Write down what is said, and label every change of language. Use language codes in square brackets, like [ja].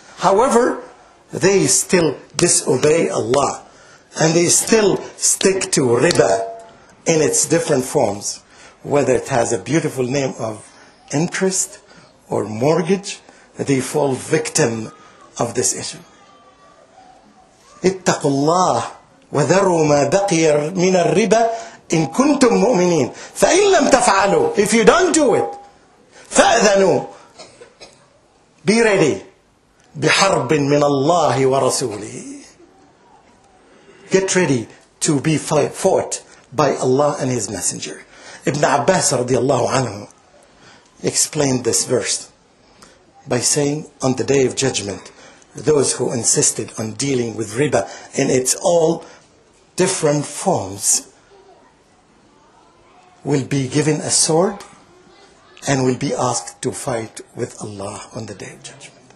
[en] However, they still disobey Allah. And they still stick to riba in its different forms. Whether it has a beautiful name of interest or mortgage, they fall victim of this issue. [ar] اتقوا الله وذروا ما بقي من الربا إن كنتم مؤمنين فإن لم تفعلوا. [en] If you don't do it, [ar] فأذنوا. [en] Be ready. [ar] بحرب من الله ورسوله. [en] Get ready to be fought by Allah and His Messenger. Ibn Abbas [ar] رضي الله عنه [en] explained this verse by saying, on the day of judgment, those who insisted on dealing with riba in its all different forms will be given a sword and will be asked to fight with Allah on the Day of Judgment.